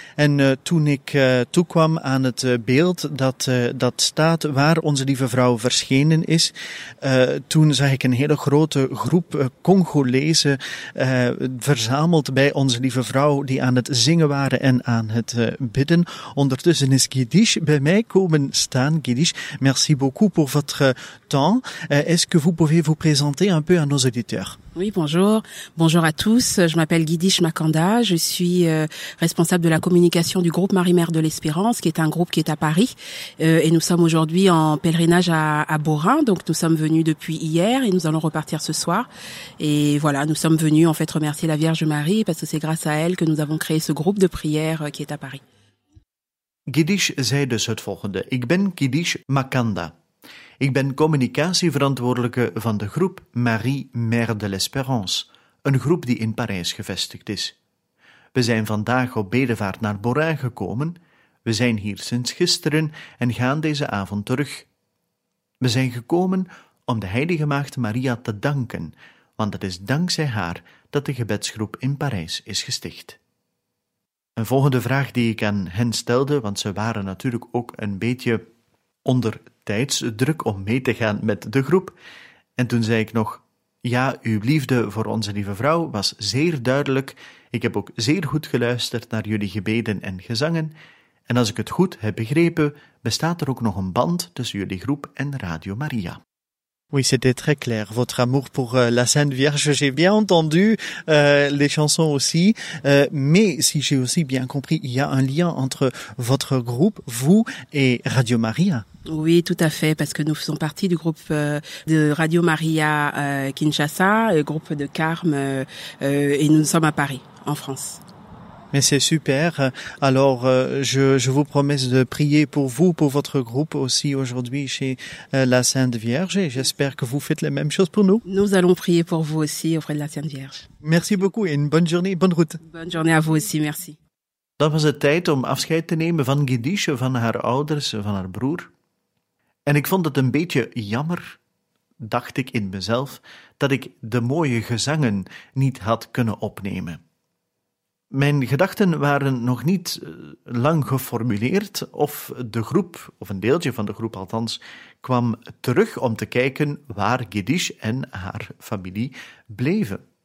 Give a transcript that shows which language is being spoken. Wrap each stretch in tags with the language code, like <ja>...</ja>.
<nl>En toen ik toekwam aan het beeld dat staat waar Onze Lieve Vrouw verschenen is, toen zag ik een hele grote groep Congolezen verzameld bij Onze Lieve Vrouw die aan het zingen waren en aan het bidden. Ondertussen is Gidish bij mij komen staan.</nl> <fr>Gidish, merci beaucoup pour votre temps. Est-ce que vous pouvez vous présenter un peu à nos auditeurs? Oui, bonjour. Bonjour à tous. Je m'appelle Guidish Makanda. Je suis responsable de la communication du groupe Marie-Mère de l'Espérance, qui est un groupe qui est à Paris. Et nous sommes aujourd'hui en pèlerinage à Beaurain. Donc, nous sommes venus depuis hier et nous allons repartir ce soir. Et voilà, nous sommes venus en fait remercier la Vierge Marie parce que c'est grâce à elle que nous avons créé ce groupe de prière qui est à Paris.</fr> <nl>Guidish zei dus het volgende. Ik ben Guidish Makanda. Ik ben communicatieverantwoordelijke van de groep Marie Mère de l'Espérance, een groep die in Parijs gevestigd is. We zijn vandaag op bedevaart naar Beaurain gekomen, we zijn hier sinds gisteren en gaan deze avond terug. We zijn gekomen om de Heilige Maagd Maria te danken, want het is dankzij haar dat de gebedsgroep in Parijs is gesticht. Een volgende vraag die ik aan hen stelde, want ze waren natuurlijk ook een beetje onder tijdsdruk om mee te gaan met de groep. En toen zei ik nog, ja, uw liefde voor onze lieve vrouw was zeer duidelijk. Ik heb ook zeer goed geluisterd naar jullie gebeden en gezangen. En als ik het goed heb begrepen, bestaat er ook nog een band tussen jullie groep en Radio Maria.</nl> <fr>Oui, c'était très clair. Votre amour pour la Sainte Vierge, j'ai bien entendu les chansons aussi. Mais si j'ai aussi bien compris, il y a un lien entre votre groupe, vous et Radio Maria. Oui, tout à fait, parce que nous faisons partie du groupe de Radio Maria Kinshasa, le groupe de Carme, et nous sommes à Paris, en France. Mais c'est super. Alors, je vous promets de prier pour vous, pour votre groupe aussi aujourd'hui chez la Sainte Vierge. Et j'espère que vous faites la même chose pour nous. Nous allons prier pour vous aussi auprès de la Sainte Vierge. Merci beaucoup et une bonne journée, bonne route. Bonne journée à vous aussi, merci.</fr> <nl>Dan was het tijd om afscheid te nemen van Guidish, van haar ouders, van haar broer. En ik vond het een beetje jammer, dacht ik in mezelf, dat ik de mooie gezangen niet had kunnen opnemen. Mijn gedachten waren nog niet lang geformuleerd of de groep, of een deeltje van de groep althans, kwam terug om te kijken waar Guidish en haar familie bleven.</nl>